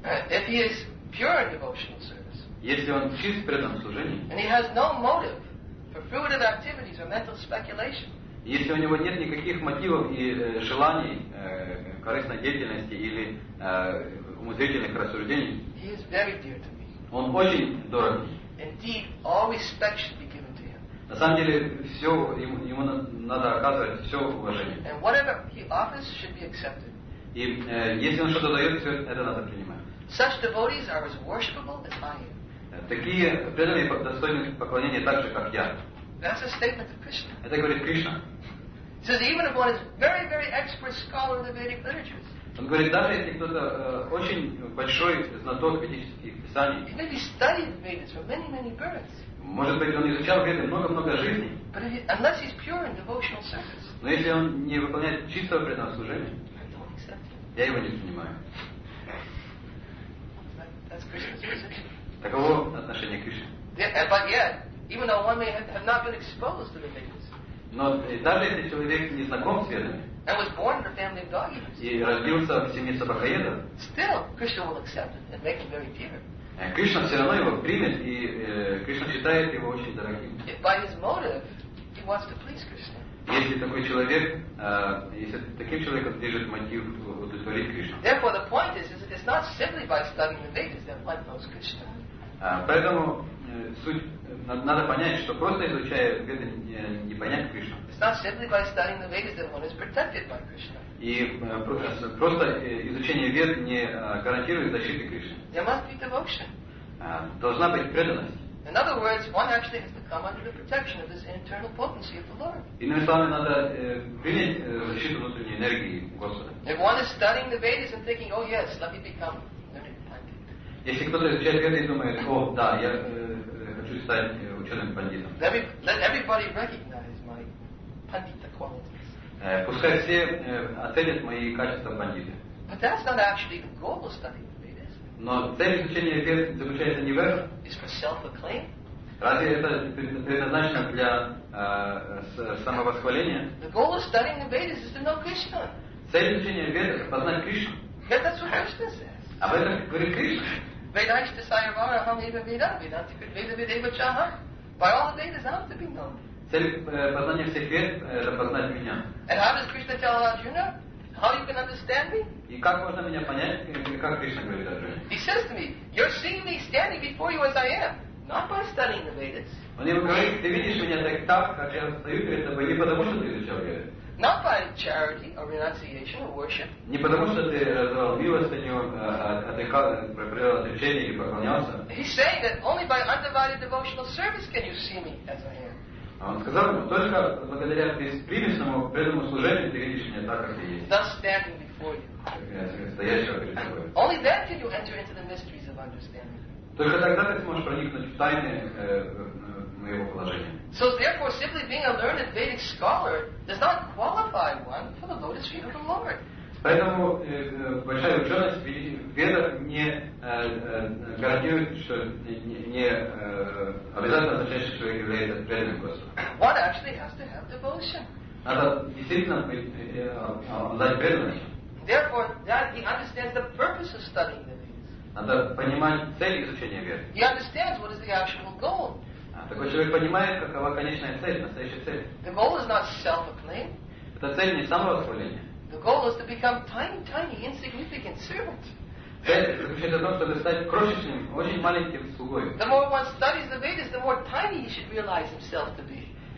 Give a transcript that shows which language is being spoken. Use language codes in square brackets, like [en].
[en] if he is pure in devotional service. [ru] Если он чист в преданном служении. [en] And he has no motive for fruitive activities or mental speculation. [ru] Если у него нет никаких мотивов и желаний корыстной деятельности или умозрительных рассуждений, [en] he is very dear to me. [ru] Он очень дорог мне. [en] Indeed, all respect should be given to him. [ru] На самом деле, все ему надо оказывать все уважение. [en] And whatever he offers should be accepted. [ru] И если он что-то дает, все это надо принимать. [en] Such devotees are as worshipable as I am. [ru] Такие преданные достойны поклонения так же, как я. [en] That's a statement of Krishna. [ru] Это говорит Кришна. [en] He says even if one is very, very expert scholar of the Vedic literatures. [ru] Он говорит, даже если кто-то очень большой знаток ведических писаний. [en] He may be studied Vedas for many, many births. [ru] Может быть, он изучал Веды много-много жизней. [en] But unless he's pure in devotional service. [ru] Но если он не выполняет чистого преданного служения. [en] I don't accept. [ru] Я его не понимаю. [en] That's Krishna's position. [ru] Таково отношение к Кришне. [en] Yeah, but yet. Even though one may have not been exposed to the Vedas. [ru] Но даже если человек не знаком с Ведами. [en] And was born in a family of dog eaters. [ru] И родился в семье собакоедов. [en] Still, Krishna will accept it and make him very dear. [ru] Кришна все равно его примет и Кришна считает его очень дорогим. [en] If by his motive, he wants to please Krishna. [ru] Если такой человек, если таким человеком движет мотив удовлетворить Кришну. [en] Therefore, the point is it's not simply by studying the Vedas that one knows Krishna. [ru] Поэтому суть, надо понять, что просто изучая Веды, не понять Кришну. [en] It's not simply by studying the Vedas that one is protected by Krishna. [ru] И просто изучение Вед не гарантирует защиты Кришны. [en] There must be devotion. [ru] Должна быть преданность. [en] In other words, one actually has to come under the protection of this internal potency of the Lord. [ru] Иными словами, надо принять защиту внутренней энергии Господа. [en] If one is studying the Vedas and thinking, oh yes, let me become. [ru] Если кто-то изучает Веды и думает, о, да, я хочу стать ученым пандитом. [en] Let everybody recognize my pandita qualities. [ru] Пускай все оценят мои качества пандиты. [en] But that's not actually the goal of studying the Vedas. [ru] Но цель изучения Вед заключается не в этом. [en] It's for self-acclaim. [ru] Разве это предназначено для самовосхваления? [en] The goal of studying the Vedas is to know Krishna. [ru] Цель изучения Вед – познать Кришну. [en] Yeah, that's what Krishna says. [ru] Об этом говорит Кришна. [sa] Vedaish Desayavara Ham Eva Veda Vedantikrit Veda Vedeva Chaha. [en] By all the Vedas I have to be known. [ru] Цель познания всех Вед это познать меня. [en] And how does Krishna tell Arjuna? How you can understand me? [ru] И как можно меня понять, как Кришна говорит Арджуне? [en] He says to me, you're seeing me standing before you as I am. Not by studying the Vedas. [ru] Он ему говорит, ты видишь меня так, как я стою перед тобой, не потому что ты изучал Веды. [en] Not by charity or renunciation or worship. [ru] Не потому что ты раздавал милостыню, проявлял отречение и поклонялся. [en] He's saying that only by undivided devotional service can you see me as I am. [ru] Он сказал, только благодаря беспримесному преданному служению ты видишь меня так, как ты есть. [en] Thus standing before you. [ru] Стоящего перед тобой. [en] Only then can you enter into the mysteries of understanding. [ru] Только тогда ты сможешь проникнуть в тайны своего положения. [en] So therefore, simply being a learned Vedic scholar does not qualify one for the lotus feet of the Lord. [ru] Поэтому большая ученость в Ведах не гарантирует, что не обязательно означает, что человек является преданным Господу. [en] One actually has to have devotion. [ru] Надо действительно обладать преданностью. [en] Therefore, that he understands the purpose of studying the Vedas. [ru] Надо понимать цель изучения Вед. [en] He understands what is the actual goal. [ru] Такой человек понимает, какова конечная цель, настоящая цель. [en] The goal is not self-acclaim. [ru] Это цель не самовосхваление. [en] The goal is to become tiny, tiny, insignificant servant. The more one studies the Vedas, the more tiny he should realize himself to be.